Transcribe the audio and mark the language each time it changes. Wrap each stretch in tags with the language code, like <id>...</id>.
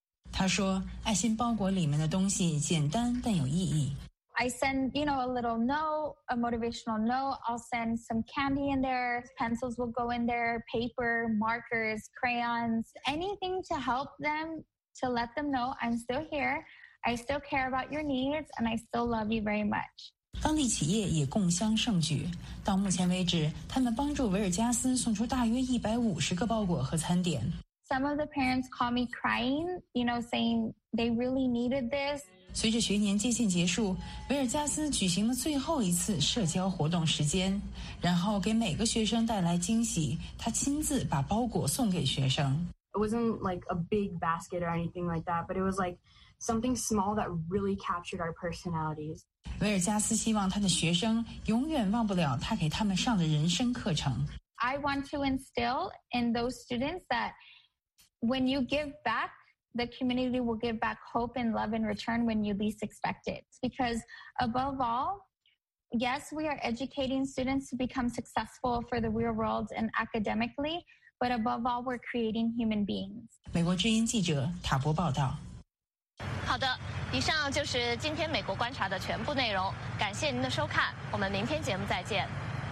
<zh>他说，爱心包裹里面的东西简单但有意义。</zh> <en>I send, you know, a little note, a motivational note. I'll send some candy in there. Pencils will go in there, paper, markers, crayons, anything to help them, to let them know I'm still here. I still care about your needs and I still love you very much.</en> <zh>当地企业也共襄盛举。到目前为止，他们帮助维尔加斯送出大约150个包裹和餐点。</zh> <en>Some of the parents call me crying, you know, saying they really needed this.</en> <zh>随着学年接近结束，维尔加斯举行了最后一次社交活动时间，然后给每个学生带来惊喜。他亲自把包裹送给学生。</zh> <en>It wasn't like a big basket or anything like that, but it was like something small that really captured our personalities.</en> <zh>维尔加斯希望他的学生永远忘不了他给他们上的人生课程。</zh> <en>I want to instill in those students that when you give back, the community will give back hope and love in return when you least expect it. Because above all, yes, we are educating students to become successful for the real world and academically, but above all, we're creating human beings.</en> <zh>美国之音记者塔博报道。好的，以上就是今天美国观察的全部内容。感谢您的收看，我们明天节目再见。</zh>